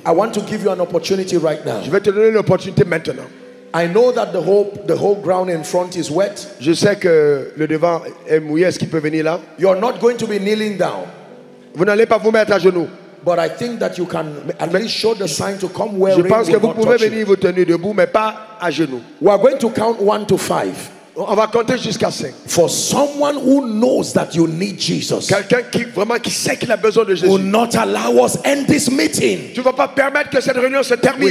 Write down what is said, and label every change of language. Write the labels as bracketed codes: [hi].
[en] I want to give you an opportunity right now. [fr] Je vais te donner une opportunité maintenant. [en] I know that the whole ground in front is wet. [fr] Je sais que le devant est mouillé. Est-ce qu'il peut venir là? [en] You are not going to be kneeling down. [fr] Vous n'allez pas vous mettre à genoux. [en] But I think that you can at least show the sign to come where we will not touch you. [fr] Venir vous tenir debout, mais pas à genoux. [en] We are going to count 1 to 5. [fr] On va compter jusqu'à 5. [en] For someone who knows that you need Jesus. [fr] Quelqu'un qui vraiment qui sait qu'il a besoin de Jésus. [en] Will not allow us end this meeting. [fr] Tu vas pas permettre que cette réunion se termine.